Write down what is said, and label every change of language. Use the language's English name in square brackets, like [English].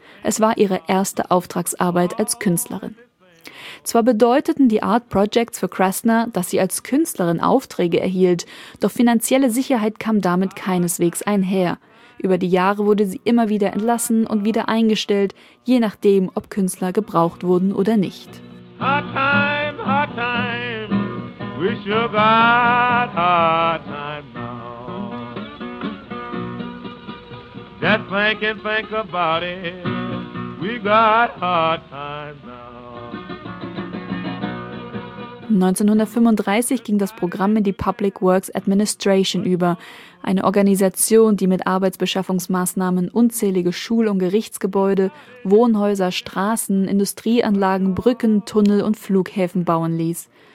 [German] Es war ihre erste Auftragsarbeit als Künstlerin. Zwar bedeuteten die Art Projects für Krasner, dass sie als Künstlerin Aufträge erhielt, doch finanzielle Sicherheit kam damit keineswegs einher. Über die Jahre wurde sie immer wieder entlassen und wieder eingestellt, je nachdem, ob Künstler gebraucht wurden oder nicht. [English] Hard time, hard time, we sure got hard time now. Just think and think about it, we got hard time now. [German] 1935 ging das Programm in die Public Works Administration über, eine Organisation, die mit Arbeitsbeschaffungsmaßnahmen unzählige Schul- und Gerichtsgebäude, Wohnhäuser, Straßen, Industrieanlagen, Brücken, Tunnel und Flughäfen bauen ließ.